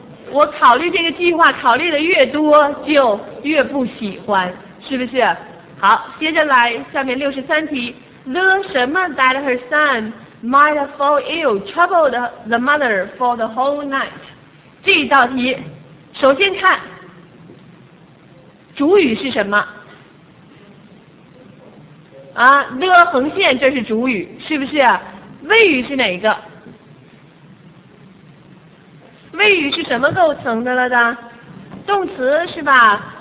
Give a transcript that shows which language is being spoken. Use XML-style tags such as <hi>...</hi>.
<zh>我考虑这个计划，考虑的越多就越不喜欢，是不是？好，接着来，下面63题。The 什么</zh> <en>that her son... Might fall ill, troubled the mother for the whole night.</en> <zh>这一道题，首先看主语是什么？啊 ，the 横线这是主语，是不是？谓语是哪一个？谓语是什么构成的了的？动词是吧？</zh>